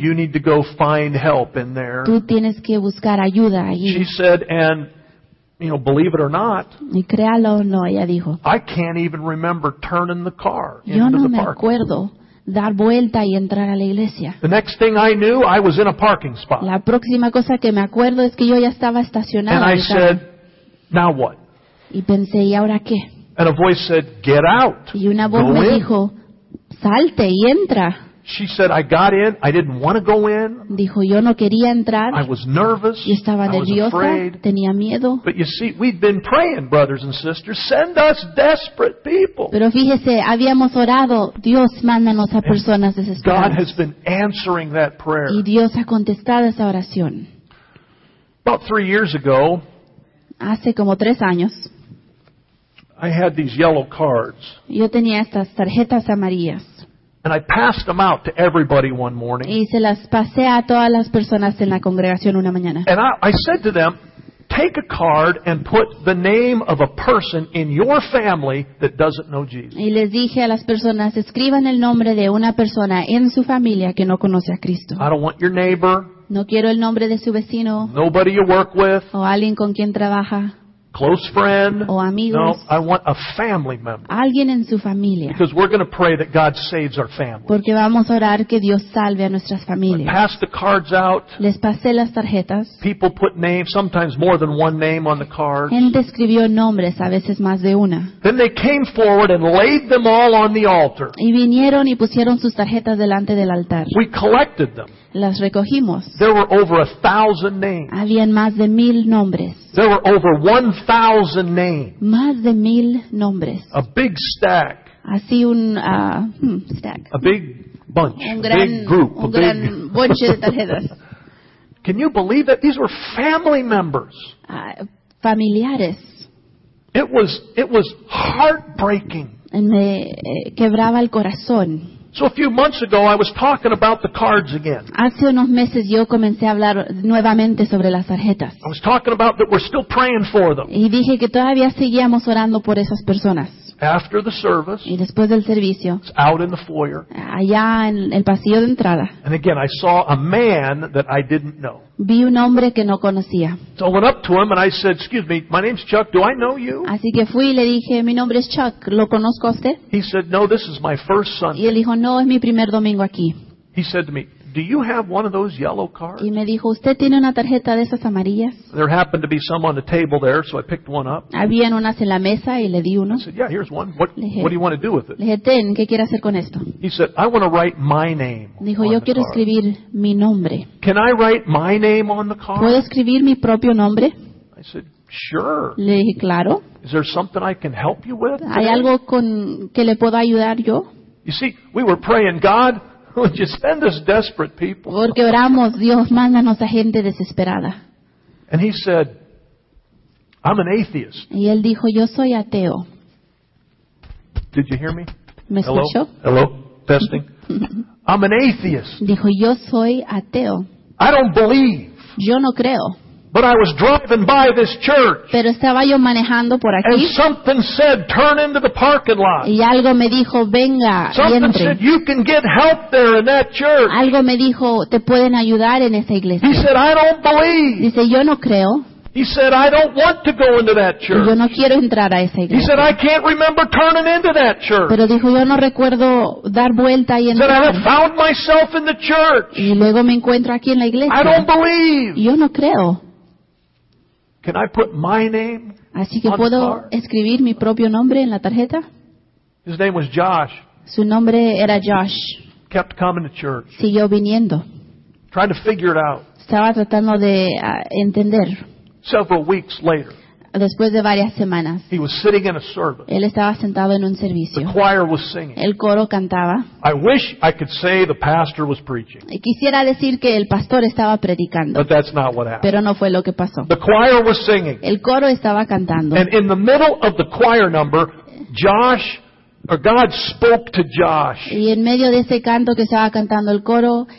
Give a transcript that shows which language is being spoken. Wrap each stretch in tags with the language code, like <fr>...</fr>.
<en>"You need to go find help in there."</en> <es>Tú tienes que buscar ayuda ahí.</es> <en>She said, "And you know, believe it or not."</en> <es>Y créalo o no, ella dijo.</es> <en>"I can't even remember turning the car into the</en> <es>Yo no me acuerdo dar vuelta y entrar a la iglesia.</es> <en>The next thing I knew, I was in a parking spot.</en> <es>La próxima cosa que me acuerdo es que yo ya estaba estacionado.</es> <en>And I said, "Now what?"</en> <es>Y pensé, ¿y ahora qué?</es> <en>And a voice said, "Get out."</en> <es>Y una voz me dijo, "Salte y entra."</es> <en>She said, "I got in. I didn't want to go in."</en> <es>Dijo, yo no quería entrar.</es> <en>"I was nervous.</en> <es>Yo estaba nerviosa.</es> <en>I was afraid.</en> <es>Tenía miedo."</es> <en>But you see, we'd been praying, brothers and sisters, "Send us desperate people."</en> <es>Pero fíjese, habíamos orado, Dios, mándanos a personas desesperadas.</es> <en>God has been answering that prayer.</en> <es>Y Dios ha contestado esa oración.</es> <en>About 3 years ago,</en> <es>hace como 3 años,</es> <en>I had these yellow cards.</en> <es>Yo tenía estas tarjetas amarillas.</es> <en>And I passed them out to everybody one morning.</en> <es>Y se las pasé a todas las personas en la congregación una mañana.</es> <en>And I said to them, "Take a card and put the name of a person in your family that doesn't know Jesus."</en> <es>Y les dije a las personas, escriban el nombre de una persona en su familia que no conoce a Cristo.</es> <en>"I don't want your neighbor."</en> <es>No quiero el nombre de su vecino.</es> <en>"Nobody you work with."</en> <es>O alguien con quien trabaja.</es> <en>close friend.</en> <es>O amigos,</es> <en>no, I want a family member.</en> <es>Alguien en su familia.</es> <en>Because we're going to pray that God saves our family.</en> <es>Porque vamos a orar que Dios salve a nuestras familias.</es> <en>I passed the cards out.</en> <es>Les pasé las tarjetas.</es> <en>People put names, sometimes more than one name on the cards.</en> <es>Gente escribió nombres, a veces más de una.</es> <en>Then they came forward and laid them all on the altar.</en> <es>Y vinieron y pusieron sus tarjetas delante del altar.</es> <en>We collected them.</en> <es>Las recogimos.</es> <en>There were over 1,000 names.</en> <es>Habían más de 1,000 nombres.</es> <en>There were over 1,000 names.</en> <es>Más de 1,000 nombres.</es> <en>A big stack.</en> <es>Así un stack.</es> <en>A big bunch.</en> <es>Un gran,</es> <en>a big group.</en> <es>Un</es> <en>a</en> <es>gran</es> <en>big...</en> <es>bunch de tarjetas.</es> <en>Can you believe that? These were family members.</en> <es>Familiares.</es> <en>It was heartbreaking.</en> <es>Y me quebraba el corazón.</es> <en>So a few months ago, I was talking about the cards again.</en> <es>Hace unos meses yo comencé a hablar nuevamente sobre las tarjetas.</es> <en>I was talking about that we're still praying for them.</en> <es>Y dije que todavía seguíamos orando por esas personas.</es> <en>After the service.</en> <es>Y después del servicio.</es> <en>It's out in the foyer.</en> <es>Allá en el pasillo de entrada.</es> <en>And again, I saw a man that I didn't know.</en> <es>Vi un hombre que no conocía.</es> <en>So I went up to him and I said, "Excuse me, my name's Chuck. Do I know you?"</en> <es>Así que fui y le dije, "Mi nombre es Chuck. ¿Lo conozco a usted?"</es> <en>He said, "No, this is my first Sunday."</en> <es>Y él dijo, "No, es mi primer domingo aquí."</es> <en>He said to me, "Do you have one of those yellow cards?"</en> <es>Y me dijo, "¿Usted tiene una tarjeta de esas amarillas?"</es> <en>There happened to be some on the table there, so I picked one up.</en> <es>Habían unas en la mesa y le di uno.</es> <en>I said, "Yeah, here's one. What do you want to do with it?"</en> <es>Le dije, "Ten, ¿qué quiere hacer con esto?"</es> <en>He said, "I want to write my name."</en> <es>Dijo, "Yo quiero escribir mi nombre."</es> <en>"Can I write my name on the card?"</en> <es>¿Puedo escribir mi propio nombre?</es> <en>I said, "Sure."</en> <es>Le dije, "Claro."</es> <en>"Is there something I can help you with?"</en> <es>¿Hay algo con que le puedo ayudar yo?</es> <en>You see, we were praying, "God, would you send us desperate people?"</en> <es>Porque oramos, Dios, mándanos a gente desesperada.</es> <en>And he said, "I'm an atheist."</en> <es>Y él dijo, "Yo soy ateo."</es> <en>Did you hear me?</en> <es>¿Me escuchó?</es> <en>Hello? Hello? Testing. "I'm an atheist."</en> <es>Dijo, "Yo soy ateo."</es> <en>"I don't believe."</en> <es>Yo no creo.</es> <en>"But I was driving by this church."</en> <es>Pero estaba yo manejando por aquí.</es> <en>"And something said, 'Turn into the parking lot.'"</en> <es>Y algo me dijo, "Venga,</es> <en>something</en> <es>entre."</es> <en>"Said, 'You can get help there in that church.'"</en> <es>Algo me dijo, "Te pueden ayudar en esa iglesia."</es> <en>"He said, 'I don't believe.'"</en> <es>Dice, "Yo no creo."</es> <en>"He said, 'I don't want to go into that church.'"</en> <es>Yo no quiero entrar a esa iglesia.</es> <en>"He said, 'I can't remember turning into that church.'"</en> <es>Pero dijo, "Yo no recuerdo dar vuelta y entrar."</es> <en>"He said, 'I have found myself in the church.'"</en> <es>Y luego me encuentro aquí en la iglesia.</es> <en>"I don't believe."</en> <es>Yo no creo.</es> <en>"Can I put my name on the card?"</en> <es>Así que puedo escribir mi propio nombre en la tarjeta.</es> <en>His name was Josh.</en> <es>Su nombre era Josh.</es> <en>Kept coming to church.</en> <es>Siguió viniendo.</es> <en>Trying to figure it out.</en> <es>Estaba tratando de entender.</es> <en>Several weeks later.</en> <es>Después de varias semanas.</es> <en>He was sitting in a service.</en> <es>Él estaba sentado en un servicio.</es> <en>The choir was singing.</en> <es>El coro cantaba.</es> <en>I wish I could say the pastor was preaching.</en> <es>Y quisiera decir que el pastor estaba predicando.</es> <en>But that's not what happened.</en> <es>Pero no fue lo que pasó.</es> <en>The choir was singing.</en> <es>El coro estaba cantando.</es> <en>And in the middle of the choir number, Josh, or God spoke to Josh.</en> <es>Y en medio de ese canto que estaba cantando el coro,</es>